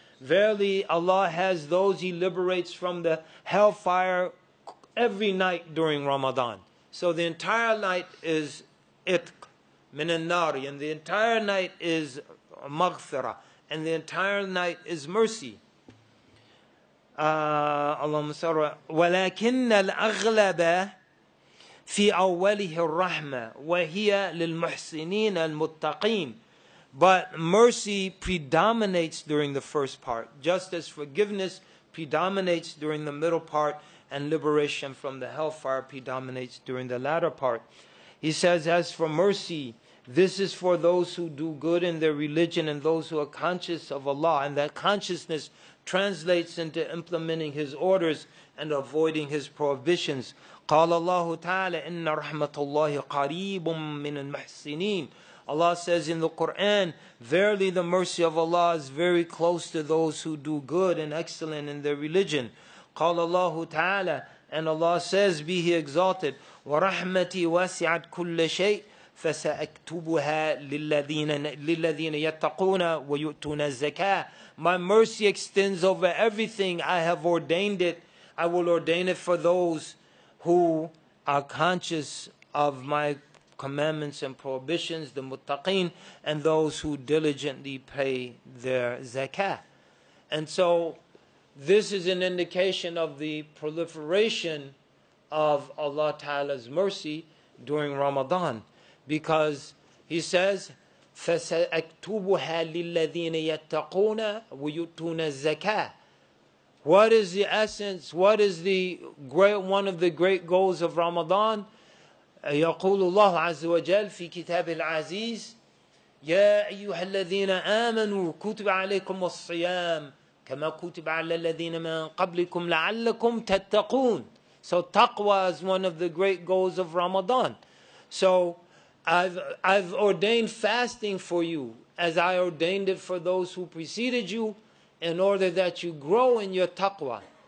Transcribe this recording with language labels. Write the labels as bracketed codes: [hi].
[en] Verily, Allah has those He liberates from the hellfire every night during Ramadan. So the entire night is [ar] itq min al-nari, [en] and the entire night is maghfira, and the entire night is mercy. [ar] Allahumma sara. ولكن الأغلب في أوله الرحمة وهي للمحسنين المتقين. [en] But mercy predominates during the first part, just as forgiveness predominates during the middle part, and liberation from the hellfire predominates during the latter part. He says, as for mercy, this is for those who do good in their religion and those who are conscious of Allah, and that consciousness translates into implementing His orders and avoiding His prohibitions. [ar] قَالَ اللَّهُ تَعَالَى إِنَّ رَحْمَةَ اللَّهِ قَرِيبٌ مِّنَ الْمُحْسِنِينَ. [en] Allah says in the Quran, verily the mercy of Allah is very close to those who do good and excellent in their religion. [ar] قال الله تعالى, [en] and Allah says, be He exalted, [ar] ورحمتي وسعت كل شيء فسأكتبها للذين يتقون ويؤتون الزكاة. [en] My mercy extends over everything. I have ordained it. I will ordain it for those who are conscious of my commandments and prohibitions, the muttaqin, and those who diligently pay their zakah. And so this is an indication of the proliferation of Allah Ta'ala's mercy during Ramadan, because He says, [ar] فَسَأَكْتُوبُهَا لِلَّذِينَ يَتَّقُونَ وَيُتُونَ الزَّكَاةِ. [en] What is the essence, what is the great, one of the great goals of Ramadan? [ar] يَقُولُ اللَّهُ عَزُّ وَجَلْ فِي كِتَابِ الْعَزِيزِ يَا أَيُّهَا الَّذِينَ آمَنُوا كُتُبَ عَلَيْكُمُ الصِّيَامِ كما كتب على الذين من قبلكم لعلكم تتقون. [en] So taqwa is one of the great goals of Ramadan. So I've ordained fasting for you as I ordained it for those who preceded you, in order that you grow in your taqwa.